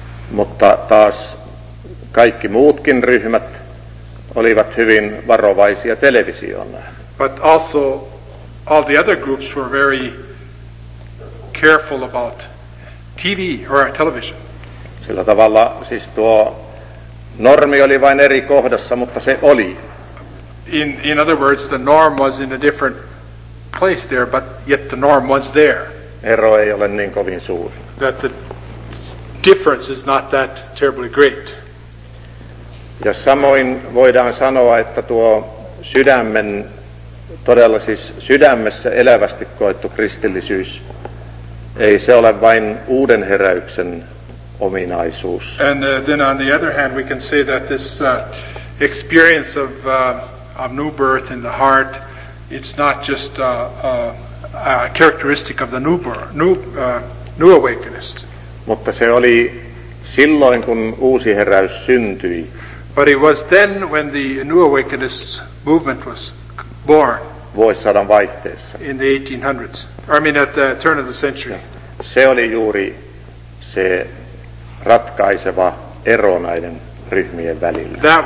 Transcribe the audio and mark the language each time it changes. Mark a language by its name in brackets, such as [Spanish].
[Finnish] Mutta taas kaikki muutkin ryhmät olivat hyvin varovaisia televisioon. [English] But also all the other groups were very careful about TV or a television. [Finnish] Sillä tavalla siis tuo normi oli vain eri kohdassa, mutta se oli. [English] In other words, the norm was in a different place there, but yet the norm was there. [Finnish] Ero ei ole niin kovin suuri. [English] That the difference is not that terribly great. [Finnish] Ja samoin voidaan sanoa, että tuo sydämen, todella siis sydämessä elävästi koettu kristillisyys, ei se ole vain uuden heräyksen ominaisuus. [English] And then on the other hand, we can say that this experience of new birth in the heart, it's not just a characteristic of the new awakenist. [Finnish] Mutta se oli silloin, kun uusi heräys syntyi. [English] But it was then when the new awakenist movement was born. [Finnish] vuosisadan vaihteessa. [English] In the 1800s, or I mean at the turn of the century. [Finnish] Se oli juuri se ratkaiseva ero näiden ryhmien välillä.